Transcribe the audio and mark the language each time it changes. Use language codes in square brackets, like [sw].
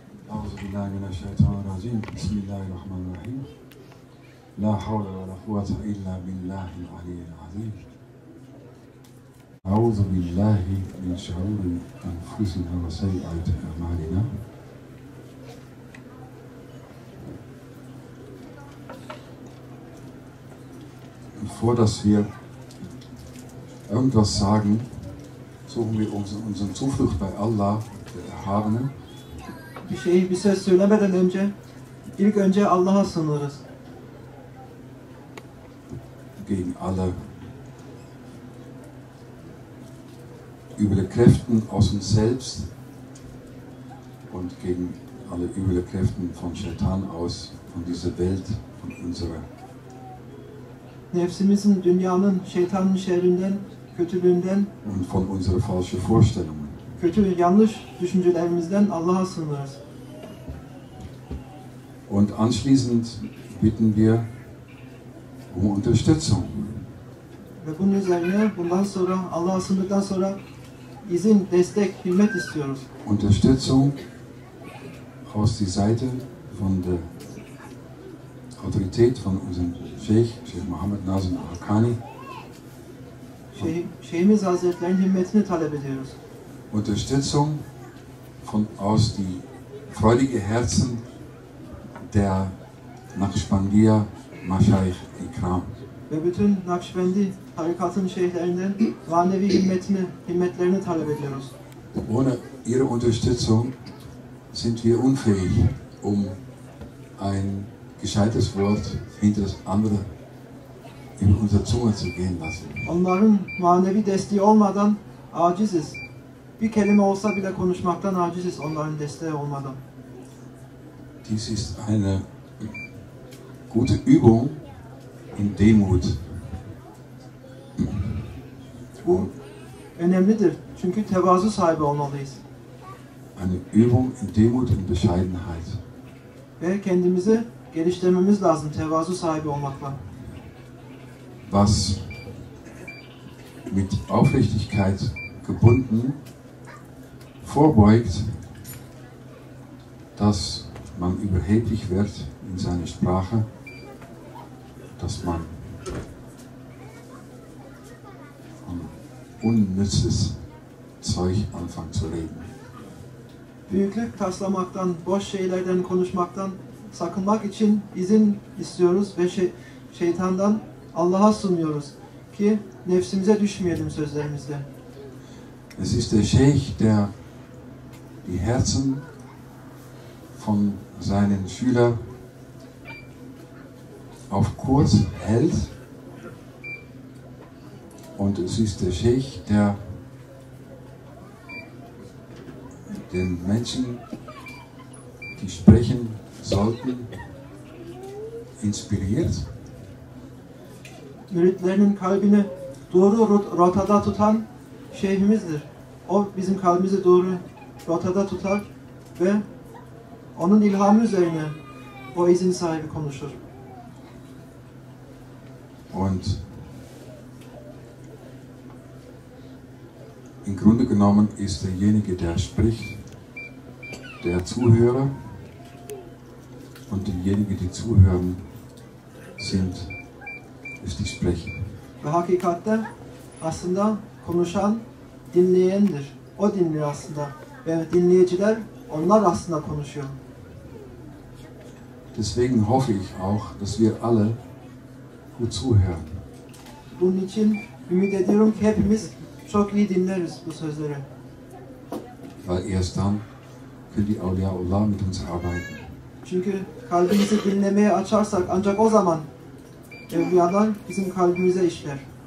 [ar] أعوذ بالله من الشيطان الرجيم بسم الله الرحمن الرحيم لا حول ولا قوة إلا بالله العلي العظيم أعوذ بالله من شرور أنفسنا وسيئات أعمالنا [de] Bevor dass wir irgendwas sagen, suchen wir unseren Zuflucht bei Allah, der Erhabene. [tr] Bir şey, bir söz söylemeden önce, ilk önce Allah'a sığınırız. [de] Gegen alle üble Kräften aus uns selbst und gegen alle üble Kräften von Şeytan aus, von dieser Welt, von unserer. [tr] Nefsimizin, dünyanın, şeytanın şerrinden, kötülüğünden [de] und von unseren falschen Vorstellungen. [tr] Kötü, yanlış düşüncelerimizden Allah'a sığınırız. [de] Und anschließend bitten wir um Unterstützung. [tr] Ve bunun üzerine bundan sonra Allah'a sığındıktan sonra izin, destek, hizmet istiyoruz. [de] Unterstützung aus die Seite von der Autorität von unserem Sheikh, Sheikh Mohammed Nazım Hakani. [tr] Şeyhimiz Hazretlerinin himmetini talep ediyoruz. [de] Unterstützung von aus die freudige Herzen der Nakşibendiya Maşayih İkram. [tr] Ve bütün Nakşibendi tarikatın şeyhlerinden manevi himmetlerini talep ediyoruz. [de] Ohne ihre Unterstützung sind wir unfähig, um ein gescheites Wort hinter das andere in unsere Zunge zu gehen lassen. [tr] Onların manevi desteği olmadan aciziz. Bir kelime olsa bile konuşmaktan aciziz onların desteği olmadan. [de] Dies ist eine gute Übung in Demut. [tr] Bu önemlidir çünkü tevazu sahibi olmalıyız. [de] Eine Übung in Demut und Bescheidenheit. [tr] Ve kendimizi geliştirmemiz lazım tevazu sahibi olmakla. [de] Was mit Aufrichtigkeit gebunden vorbeugt, dass man überheblich wird in seiner Sprache, dass man unnützes Zeug anfängt zu reden. [tr] Büyüklük taslamaktan, boş şeylerden konuşmaktan sakınmak için izin istiyoruz ve şeytandan Allah'a sunuyoruz ki nefsimize düşmeyelim sözlerimizde. [de] Es ist der Sheikh, der die Herzen von seinen Schülern auf Kurs hält. Und es ist der Sheikh, der den Menschen, die sprechen sollten, inspiriert. [tr] Müritlerinin kalbini doğru rotada tutan şeyhimizdir. O bizim kalbimizi doğru rotada tutar ve onun ilhamı üzerine o izin sahibi konuşur. [de] Und im Grunde genommen ist derjenige, der spricht, der Zuhörer, und diejenigen, die zuhören, sind, ist die Sprecher. [tr] Ve hakikatte aslında konuşan dinleyendir. O dinliyor aslında. Ve dinleyiciler onlar aslında konuşuyor. [de] Deswegen hoffe ich auch, dass wir alle gut zuhören. [tr] Bunun için ümit ediyorum ki hepimiz çok iyi dinleriz bu sözleri. [de] Weil erst dann können die Auliaullah mit uns arbeiten. [tr] Çünkü kalbimizi dinlemeye açarsak ancak o zaman evliyalar bizim kalbimize işler.